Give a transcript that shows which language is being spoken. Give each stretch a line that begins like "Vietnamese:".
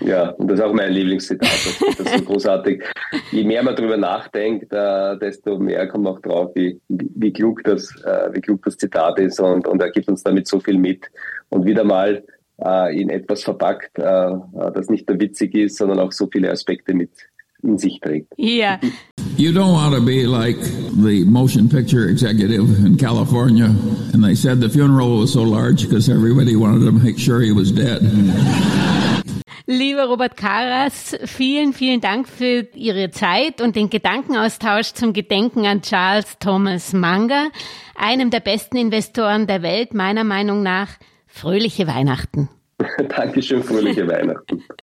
German: Ja, und das ist auch mein Lieblingszitat. Das ist so großartig. Je mehr man darüber nachdenkt, desto mehr kommt man auch drauf, wie klug das Zitat ist, und er gibt uns damit so viel mit. Und wieder mal in etwas verpackt, das nicht nur witzig ist, sondern auch so viele Aspekte mit in sich trägt. Ja.
English: You don't want to be like the motion picture executive in California, and they said the funeral was so large because everybody wanted to make sure he was dead.
German: Lieber Robert Karas, vielen, vielen Dank für Ihre Zeit und den Gedankenaustausch zum Gedenken an Charles Thomas Munger, einem der besten Investoren der Welt, meiner Meinung nach. Fröhliche Weihnachten. Dankeschön, fröhliche Weihnachten.